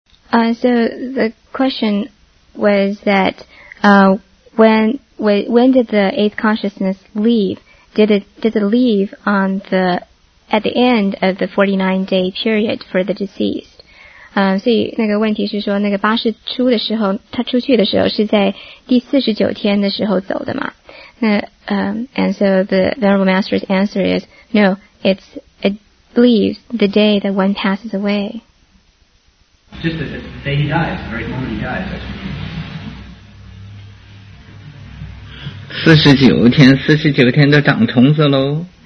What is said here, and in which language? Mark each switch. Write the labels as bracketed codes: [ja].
[en] So the question was that, when did the eighth consciousness leave? Did it leave on the at the end of the 49-day period for the deceased? [zh] 所以那个问题是说那个巴士出的时候他出去的时候是在第49天的时候走的嘛。 [en] 那and so the Venerable Master's answer is, no, it's, it leaves the day that one passes away. Just the day he dies, the very moment he dies, I suppose. [zh] 49天, 49天都长虫子咯。